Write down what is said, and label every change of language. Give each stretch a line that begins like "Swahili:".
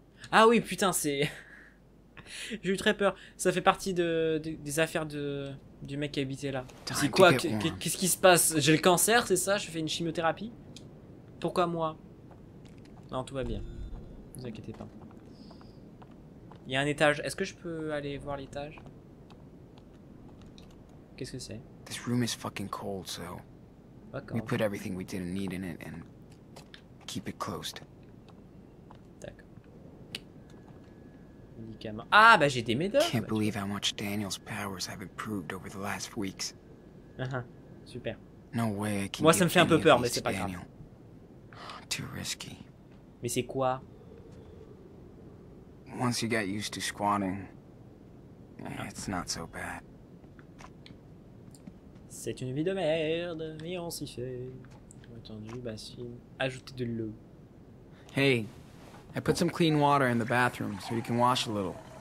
French: Ah oui, putain, c'est... J'ai eu très peur. Ça fait partie des affaires du mec qui habitait là. C'est quoi? Qu'est-ce qui se passe? J'ai le cancer, c'est ça? Je fais une chimiothérapie? Pourquoi moi? Non, tout va bien. Ne vous inquiétez pas. Il y a un étage. Est-ce que je peux aller voir l'étage? Qu'est-ce que c'est?
English: This room is fucking cold, so we put everything we didn't need in it and keep it closed.
French: Ah bah j'ai des médocs.
English: Can't believe how much Daniel's powers have improved over the last weeks.
French: Super.
English: No way.
French: Moi ça me fait un peu peur mais c'est pas grave.
English: Too risky.
French: Mais c'est quoi?
English: Once you get used to squatting, it's not so bad.
French: C'est une vie de merde, mais on s'y fait. Attendu, bah si. Ajoutez de l'eau.
English: Hey. I put some clean water in the bathroom, so you can wash a little.